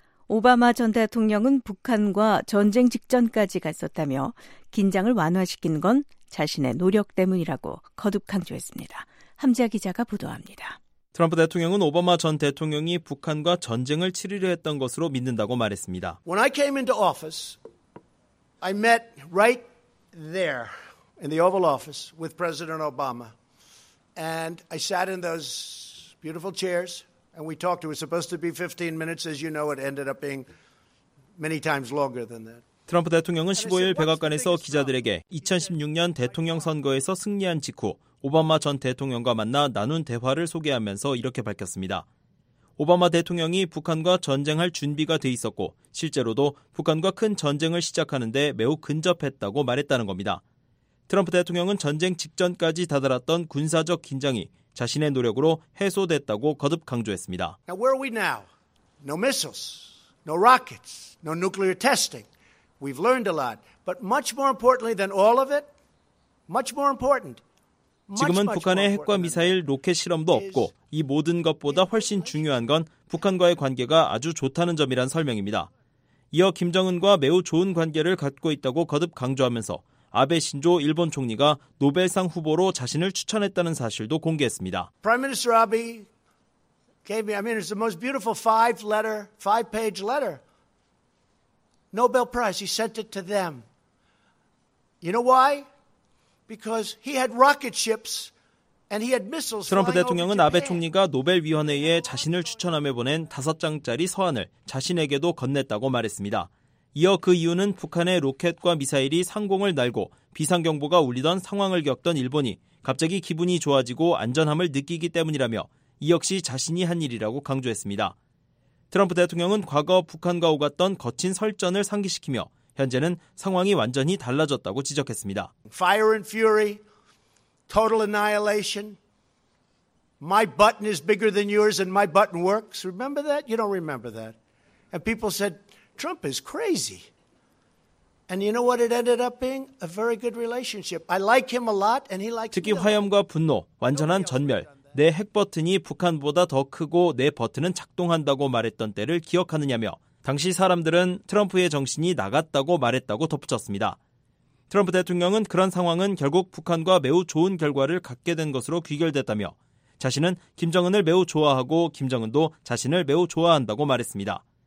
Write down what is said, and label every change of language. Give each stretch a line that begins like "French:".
Korean: 오바마 전 대통령은 북한과 전쟁 직전까지 갔었다며 긴장을 완화시킨 건 자신의 노력 때문이라고 거듭 강조했습니다. 함지아 기자가 보도합니다. 트럼프 대통령은 오바마 전 대통령이 북한과 전쟁을 치르려 했던 것으로 믿는다고 말했습니다.
English: When I came into office, I met right there in the Oval Office with President Obama. And I sat in those beautiful chairs, and we talked. It was supposed to be 15 minutes. As you know, it ended up being many times longer than that.
Korean: 트럼프 대통령은 15일 백악관에서 기자들에게 2016년 대통령 선거에서 승리한 직후 오바마 전 대통령과 만나 나눈 대화를 소개하면서 이렇게 밝혔습니다. 오바마 대통령이 북한과 전쟁할 준비가 돼 있었고 실제로도 북한과 큰 전쟁을 시작하는 데 매우 근접했다고 말했다는 겁니다. 트럼프 대통령은 전쟁 직전까지 다다랐던 군사적 긴장이 자신의 노력으로 해소됐다고 거듭 강조했습니다.
English: Now where are we now? No missiles, no rockets, no nuclear testing. We've learned a lot, but much more importantly than all of it, much more important.
Korean: 지금은 북한의 핵과 미사일, 로켓 실험도 없고 이 모든 것보다 훨씬 중요한 건 북한과의 관계가 아주 좋다는 점이란 설명입니다. 이어 김정은과 매우 좋은 관계를 갖고 있다고 거듭 강조하면서 아베 신조 일본 총리가 노벨상 후보로 자신을 추천했다는 사실도 공개했습니다.
English: Prime Minister Abe gave me, I mean, it's the most beautiful five-page letter. Nobel Prize. He sent it to them. You know why? Because he had rocket ships and he had missiles.
Korean: 트럼프 대통령은 아베 총리가 노벨 위원회에 자신을 추천함에 보낸 5장짜리 서한을 자신에게도 건넸다고 말했습니다. 이어 그 이유는 북한의 로켓과 미사일이 상공을 날고 비상경보가 울리던 상황을 겪던 일본이 갑자기 기분이 좋아지고 안전함을 느끼기 때문이라며 이 역시 자신이 한 일이라고 강조했습니다. 트럼프 대통령은 과거 북한과 오갔던 거친 설전을 상기시키며 현재는 상황이 완전히 달라졌다고 지적했습니다.
English: Fire and fury, total annihilation. My button is bigger than yours and my button works. Remember that? You don't remember that. And people said, Trump is crazy. And you know what it ended up being? A very good relationship. I like him a lot and he likes me.
Korean: 특히 화염과 분노, 완전한 전멸. 내 핵 버튼이 북한보다 더 크고 내 버튼은 작동한다고 말했던 때를 기억하느냐며 당시 사람들은 트럼프의 정신이 나갔다고 말했다고 덧붙였습니다. 트럼프 대통령은 그런 상황은 결국 북한과 매우 좋은 결과를 갖게 된 것으로 귀결됐다며 자신은 김정은을 매우 좋아하고 김정은도 자신을 매우 좋아한다고 말했습니다.